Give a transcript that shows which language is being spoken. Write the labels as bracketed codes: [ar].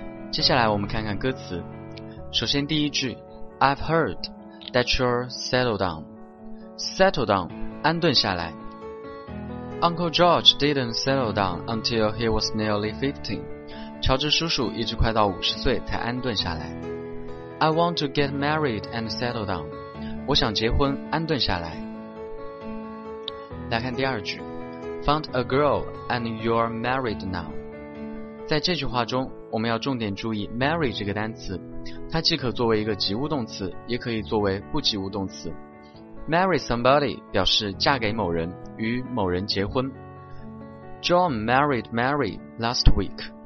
[zh] 接下来我们看看歌词，首先第一句 [en] I've heard that you're settled down. Settle down, [zh] 安顿下来。 [en] Uncle George didn't settle down until he was nearly 15. [zh] 乔治叔叔一直快到50岁才安顿下来。 [en] I want to get married and settle down. [zh] 我想结婚，安顿下来。来看第二句 [en] Found a girl and you're married now. [zh] 在这句话中，我们要重点注意 marry 这个单词，它既可作为一个及物动词，也可以作为不及物动词。 [en] Marry somebody [zh] 表示嫁给某人，与某人结婚。 [en] John married Mary last week.